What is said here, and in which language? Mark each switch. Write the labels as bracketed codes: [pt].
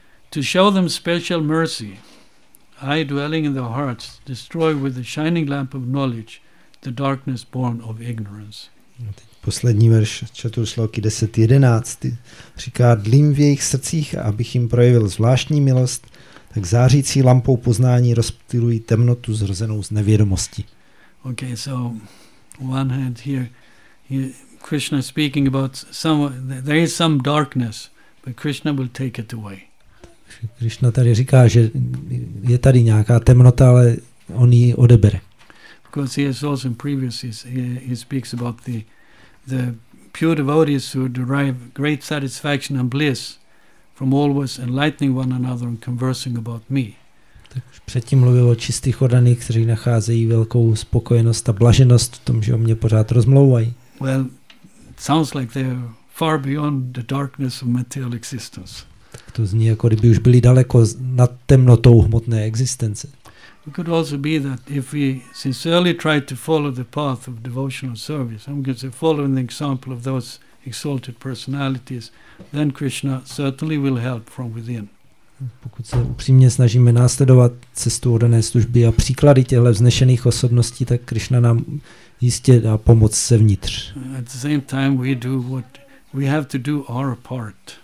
[en] To show them special mercy, I, dwelling in their hearts, destroy with the shining lamp of knowledge the darkness born of ignorance. [cs] Poslední verš čtvrtosloky 10:11 říká, dlím v jejich srdcích, abych jim projevil zvláštní milost, tak zářící lampou poznání rozptýlují temnotu zrozenou z nevědomosti. [en] Okay, so one hand here, Krishna speaking about some, there is some darkness, but Krishna will take it away. [cs] Krishna tady říká, že je tady nějaká temnota, ale on ji odebere. [en] Because he has also in previous, he speaks about the pure devotees who derive great satisfaction and bliss from always enlightening one another and conversing about me. [cs] Předtím mluvil o čistých oddaných, kteří nacházejí velkou spokojenost a blaženost v tom, že o mě pořád rozmlouvají. [en] Well, it sounds like they're far beyond the darkness of material existence. [cs] Tak to zní, jako kdyby už byli daleko nad temnotou hmotné existence. [en] It could also be that if we sincerely try to follow the path of devotional service, I'm going to say following the example of those exalted personalities, then Krishna certainly will help from within. [cs] Pokud se upřímně snažíme následovat cestu oddané služby a příklady těchto vznešených osobností, tak Krishna nám jistě dá pomoc zevnitř. [en] At the same time we do what we have to do our part.